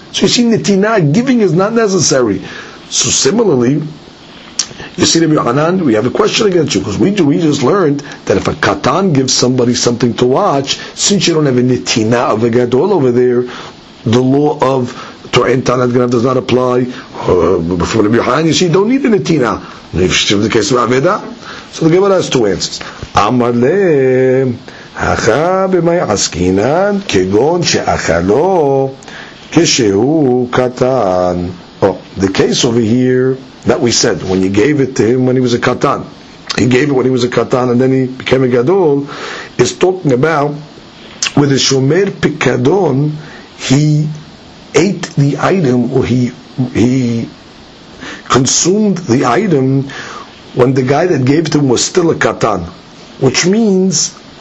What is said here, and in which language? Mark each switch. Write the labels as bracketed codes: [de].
[en] So you see, netina, giving is not necessary. So similarly, you see, Rabbi Hanan, we have a question against you, because we just learned that if a katan gives somebody something to watch, since you don't have a netina of a gadol over there, the law of Torah and Tanat Ganav does not apply. Before Rabbi Hanan, you see, you don't need a netina. If it's the case of Aveda, so the Gemara has two answers. Amar le, [he] הכה במאי עסקינן כגון שאכלו כשהוא קטן. [en] Oh, the case over here that we said, when you gave it to him when he was a katan, he gave it when he was a katan and then he became a gadol, is talking about with a shomer pikadon, he ate the item, or he consumed the item when the guy that gave it to him was still a katan, which means